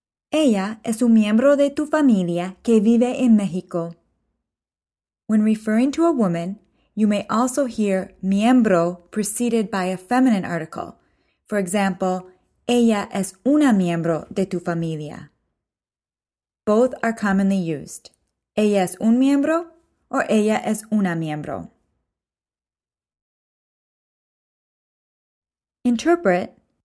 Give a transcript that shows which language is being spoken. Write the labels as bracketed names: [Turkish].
[Spanish] Ella es un miembro de tu familia que vive en México. [English] When referring to a woman, you may also hear miembro preceded by a feminine article. For example, [Spanish] ella es una miembro de tu familia. [English] Both are commonly used. [Spanish] Ella es un miembro [English] or [Spanish] ella es una miembro. [English] Interpret.